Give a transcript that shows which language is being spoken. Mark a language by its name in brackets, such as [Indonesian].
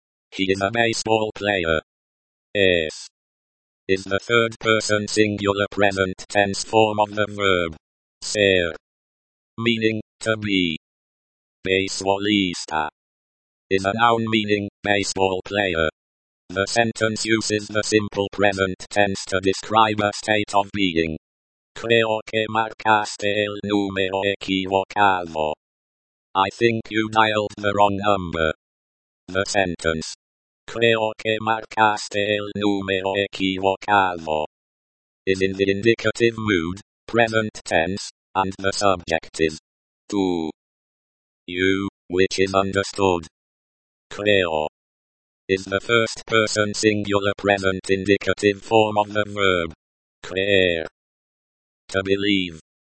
[English] he is a baseball player, es, is the third person singular present tense form of the verb, ser, meaning, to be, baseballista, is a noun meaning, baseball player. The sentence uses the simple present tense to describe a state of being. [Spanish] Creo que marcaste el número equivocado. [English] I think you dialed the wrong number. The sentence. [Spanish] Creo que marcaste el número equivocado. [English] Is in the indicative mood, present tense, and the subject is tú. You, which is understood. Creo is the first person singular present indicative form of the verb creer, to believe.